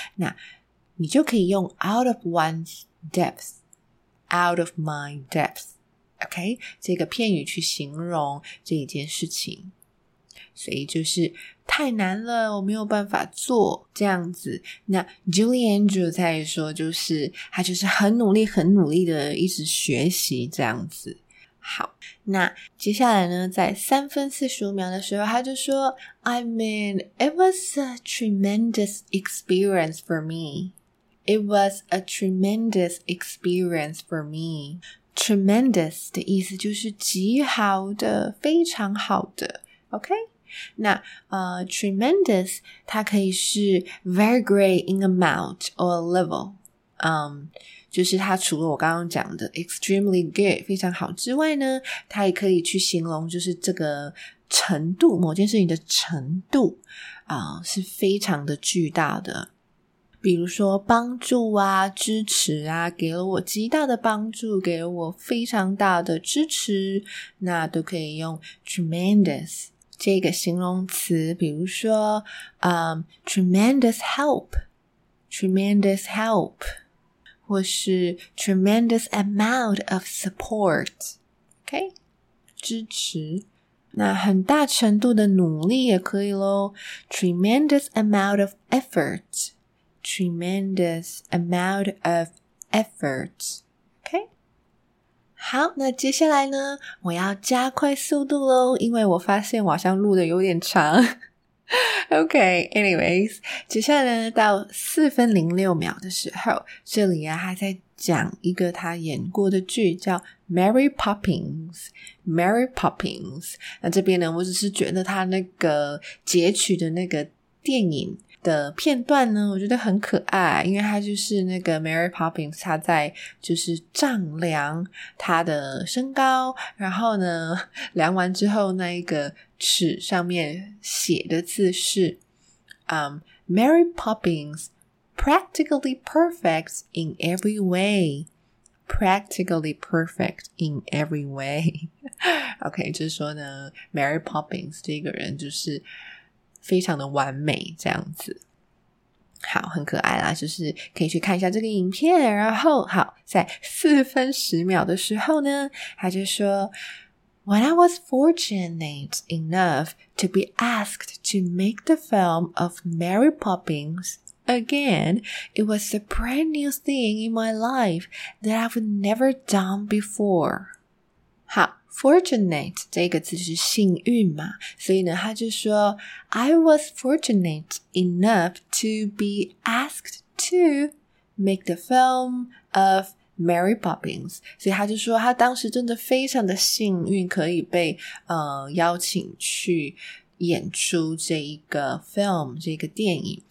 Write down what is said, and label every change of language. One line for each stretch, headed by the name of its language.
Chinese: 那你就可以用 out of one's depth， out of my depth， OK， 这个片语去形容这一件事情，所以就是太难了，我没有办法做这样子。那 Julie Andrews 在说，就是他就是很努力很努力的一直学习这样子。好，那接下来呢，在3分45秒的时候，他就说
English: I mean, it was a tremendous experience for me. It was a tremendous experience for me.
Chinese: Tremendous 的意思就是极好的，非常好的 OK? 那tremendous 它可以是
English: very great in amount or level
Chinese: 就是它除了我刚刚讲的 extremely good 非常好之外呢，它也可以去形容就是这个程度，某件事情的程度是非常的巨大的，比如说帮助啊，支持啊，给了我极大的帮助，给了我非常大的支持，那都可以用 tremendous 这个形容词，比如说
English: tremendous help, tremendous help,
Chinese: 或是
English: tremendous amount of support,
Chinese: OK? 支持。那很大程度的努力也可以咯。
English: Tremendous amount of effort, tremendous amount of effort, OK?
Chinese: 好，那接下来呢，我要加快速度咯，因为我发现我好像录的有点长。 Okay, anyways, 接下来呢到4分06秒的时候，这里啊还在讲一个他演过的剧叫 Mary Poppins, Mary Poppins, 那这边呢我只是觉得他那个截取的那个电影的片段呢我觉得很可爱，因为他就是那个
English: Mary Poppins, 他在就是丈量他的身高，然后呢量完之后那一个尺上面写的字是 Mary Poppins practically perfect in every way, practically perfect in every way.
Chinese: OK, 就是说呢 Mary Poppins 这个人就是非常的完美这样子，好，很可爱啦，就是可以去看一下这个影片，然后好，在4分10秒的时候呢他就说
English: When I was fortunate enough to be asked to make the film of Mary Poppins again, it was a brand new thing in my life that I've never done before.
Chinese: 好 ,fortunate 这个字是幸运嘛，所以呢他就说
English: I was fortunate enough to be asked to make the film of Mary Poppins,
Chinese: 所以他就说他当时真的非常的幸运可以被邀请去演出这一个 film, 这个电影。